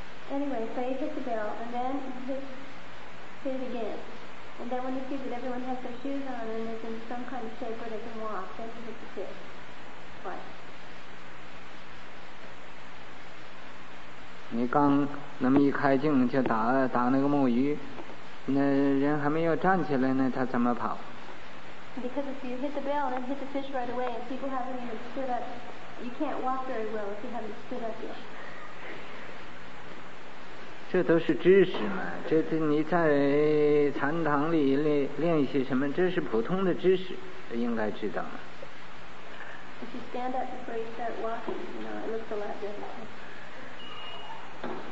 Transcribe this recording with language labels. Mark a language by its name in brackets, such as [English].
[English] Anyway, so you hit the bell and then hit it again. And then when you see that everyone has their shoes on and is in some kind of shape where they can walk, then you hit the kid. What? [Chinese] 你刚那么一开镜就打那个木鱼，那人还没有站起来呢，他怎么跑？ [English] Because if you hit the bell and hit the fish right away and people haven't even stood up, you can't walk very well if you haven't stood up yet. [Chinese] 这都是知识嘛，这你在禅堂里练习什么，这是普通的知识，应该知道嘛。 [English] If you stand up before you start walking, you know, it looks a lot different.